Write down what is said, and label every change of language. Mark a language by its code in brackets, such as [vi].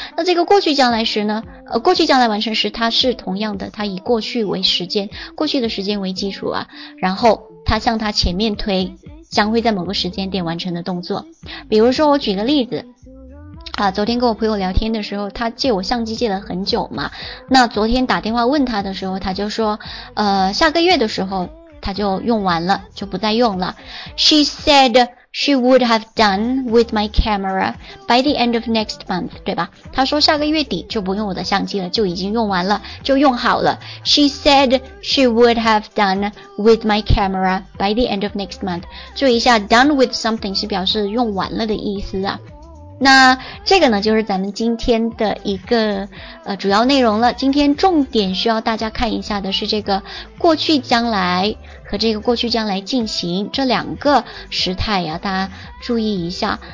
[zh] 那这个过去将来时呢，过去将来完成时它是同样的，它以过去为时间，过去的时间为基础啊，然后它向它前面推将会在某个时间点完成的动作。比如说我举个例子啊，昨天跟我朋友聊天的时候，他借我相机借了很久嘛。那昨天打电话问他的时候，他就说，下个月的时候他就用完了，就不再用了。 [en] She said she would have done with my camera by the end of next month， [zh] 对吧？他说下个月底就不用我的相机了，就已经用完了，就用好了。 [en] She said she would have done with my camera by the end of next month。 [zh] 注意一下 ， [en] done with something [zh] 是表示用完了的意思啊。那这个呢就是咱们今天的一个主要内容了。今天重点需要大家看一下的是这个过去将来和这个过去将来进行这两个时态呀，大家注意一下。